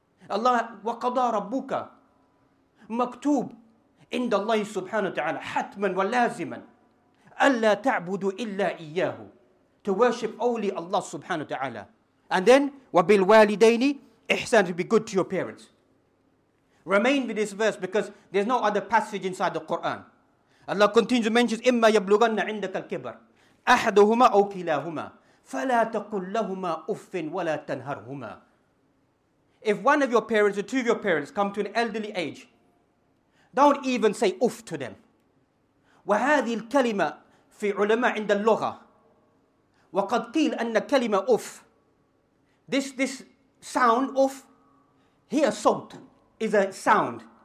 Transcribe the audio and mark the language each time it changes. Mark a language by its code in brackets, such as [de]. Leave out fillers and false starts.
[ar] Allah, وَقَضَى رَبُّكَ مَكْتُوب عِنْدَ اللَّهِ سُبْحَانَهُ وَتَعَالَى حَتْمًا وَلَازِمًا أَلَّا تَعْبُدُوا إِلَّا إِيَّاهُ. [en] To worship only Allah subhanahu wa ta'ala. And then, [ar] وَبِالْوَالِدَيْنِ إِحْسَانًا. [en] To be good to your parents. Remain with this verse because there's no other passage inside the Quran. Allah continues to mention, [ar] إِمَّا يَبْلُغَنَّ عِنْدَكَ الْكِبَرِ أَحَدُهُمَا أَوْ كِلَاهُمَا فَلَا تَقُلْ لَهُمَا أُفٍّ وَلَا تَنْهَرْهُمَا. [en] If one of your parents or two of your parents come to an elderly age, don't even say uff to them. [ar] وَهَذِي الْكَلِمَةِ فِي عُلَمَاءِ عِنْدَ اللُّغَةِ وَقَدْ قِيلَ أَنَّ كَلِمَةَ uff. [en] This sound uff, here salt is a sound.